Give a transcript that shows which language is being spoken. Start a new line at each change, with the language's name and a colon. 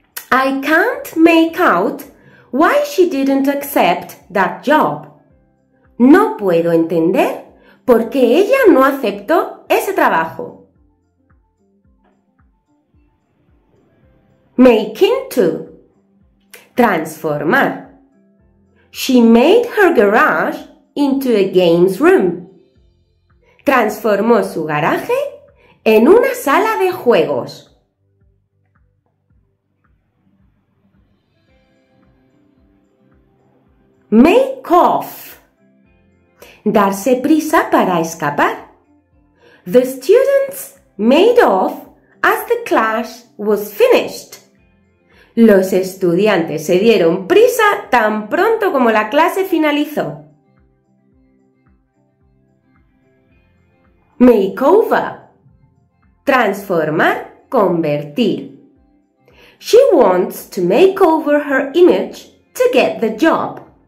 English: I can't make out why she didn't accept that job.
Spanish: No puedo entender por qué ella no aceptó ese trabajo.
English: Make into.
Spanish: Transformar.
English: She made her garage into a games room.
Spanish: Transformó su garaje en una sala de juegos.
English: Make off.
Spanish: Darse prisa para escapar.
English: The students made off as the class was finished.
Spanish: Los estudiantes se dieron prisa tan pronto como la clase finalizó.
English: Make over.
Spanish: Transformar, convertir.
English: She wants to make over her image to get the job.